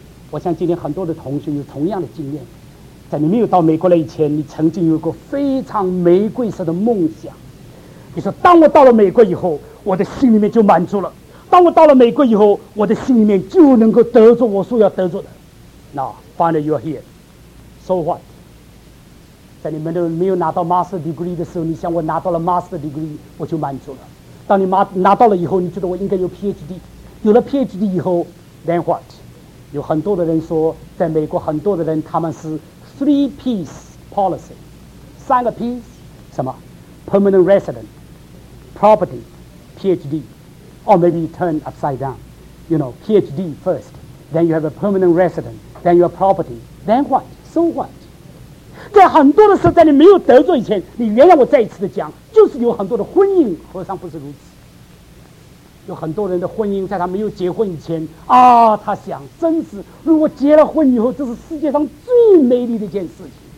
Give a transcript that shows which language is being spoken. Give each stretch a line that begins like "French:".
Chinese: 我想今天很多的同学有同样的经验，在你没有到美国来以前，你曾经有过非常玫瑰色的梦想。你说当我到了美国以后，我的心里面就满足了，当我到了美国以后，我的心里面就能够得着我所要得着的。
English: Now finally you are here， so what？
Chinese: 在你们都没有拿到 master degree 的时候，你想我拿到了 master degree 我就满足了。当你拿到了以后，你觉得我应该有 PhD， 有了 PhD 以后
English: then what？
Chinese: 有很多的人说，在美国很多的人他们是
English: three piece policy， 3个 piece， 什么 permanent resident property PhD， or maybe turn upside down， you know PhD first， then you have a permanent resident， then your property， then what？ So what？
Chinese: 在很多的时候，在你没有得罪以前，你原谅我再一次的讲，就是有很多的婚姻和尚不是如此。有很多人的婚姻在他没有结婚以前啊，他想真是如果结了婚以后，这是世界上最美丽的一件事情。